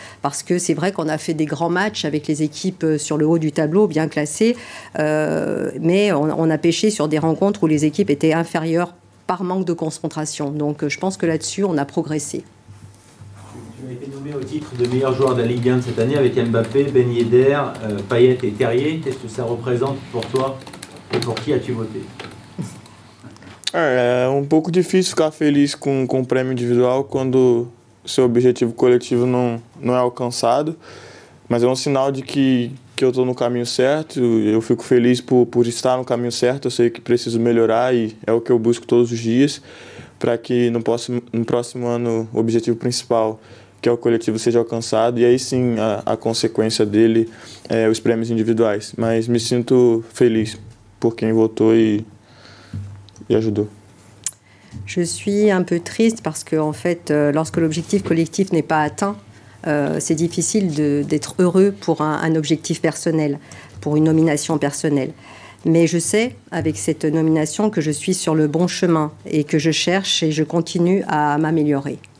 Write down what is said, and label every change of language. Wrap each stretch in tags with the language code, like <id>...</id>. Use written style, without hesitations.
<fr>Parce que c'est vrai qu'on a fait des grands matchs avec les équipes sur le haut du tableau, bien classées, mais on a pêché sur des rencontres où les équipes étaient inférieures par manque de concentration. Donc, je pense que là-dessus, on a progressé. Tu as été nommé au titre de meilleur joueur de la Ligue 1 cette année avec Mbappé, Ben Yedder, Payet et Terrier. Qu'est-ce que ça représente pour toi et pour qui as-tu voté?</fr> <pt>Um pouco difícil ficar feliz com o prêmio individual quando seu objetivo coletivo não é alcançado. Mas é um sinal de que eu estou no caminho certo. Eu fico feliz por estar no caminho certo. Eu sei que preciso melhorar e é o que eu busco todos os dias. Para que no próximo ano o objetivo principal, que é o coletivo, seja alcançado. E aí sim, a consequência dele é os prêmios individuais. Mas me sinto feliz por quem votou e ajudou.</pt> <fr>Je suis un peu triste parce que, en fait, lorsque l'objectif collectif n'est pas atteint, c'est difficile d'être heureux pour un objectif personnel, pour une nomination personnelle. Mais je sais, avec cette nomination, que je suis sur le bon chemin et que je cherche et je continue à m'améliorer.</fr>